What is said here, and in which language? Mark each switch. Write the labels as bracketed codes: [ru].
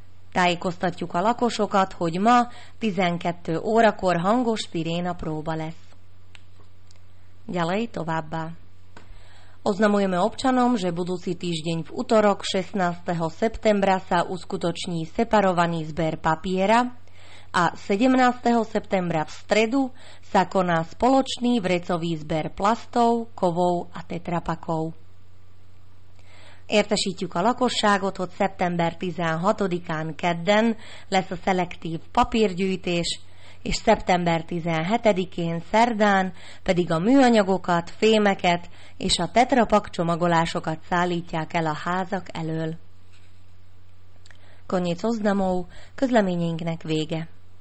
[hu] Tájékoztatjuk a lakosokat, hogy ma 12 órakor hangos siréna próba lesz. [sk] Ďalej továbbá. Oznamujeme občanom, že budúci týždeň v utorok 16. septembra sa uskutoční separovaný zber papiera a 17. septembra v stredu sa koná spoločný vrecový zber plastov, kovov a tetrapakov. [hu] Értesítjük a lakosságot, hogy szeptember 16-án kedden lesz a szelektív papírgyűjtés, és szeptember 17-én szerdán pedig a műanyagokat, fémeket és a tetrapak csomagolásokat szállítják el a házak elől. [sk] Koniec oznamov, [hu] közleményénknek vége.